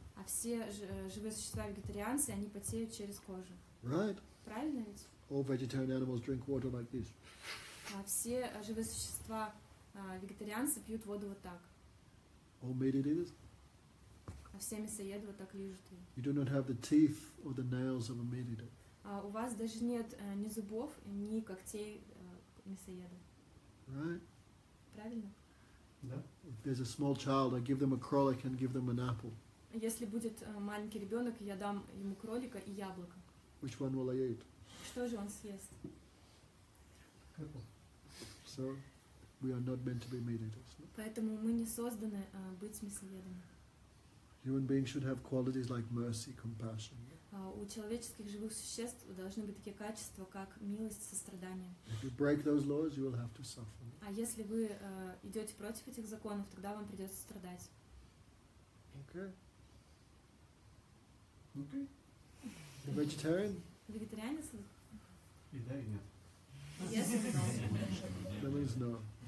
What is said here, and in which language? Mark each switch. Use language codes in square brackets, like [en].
[ru] А все живые существа вегетарианцы, они потеют через кожу. [en] Right? [ru] Правильно ведь? [en] All vegetarian animals drink water like this. [ru] Все живые существа, вегетарианцы пьют воду вот так. [en] All meat eaters. [ru] А все мясоеды вот так лижут. [en] You do not have the teeth or the nails of a meat eater. [ru] У вас даже нет ни зубов, ни когтей мясоеда. [en] Right? [ru] Правильно? Да. [en] If there's a small child, I give them a кролик and give them an apple. [ru] Если будет маленький ребенок, я дам ему кролика и яблоко. [en] Which one will I eat? [ru] Что же он съест? [en] Apple. So, we are not meant to be meat eaters. [ru] Поэтому мы не созданы быть мясоедами. [en] Human beings should have qualities like mercy, compassion. [ru] У человеческих живых существ должны быть такие качества, как милость, сострадание. [en] If you break those laws, you will have to suffer. [ru] А если вы идете против этих законов, тогда вам придется страдать. [en] Okay. A vegetarian? Vegetarianism? Yes or no? Yes or no? That means no.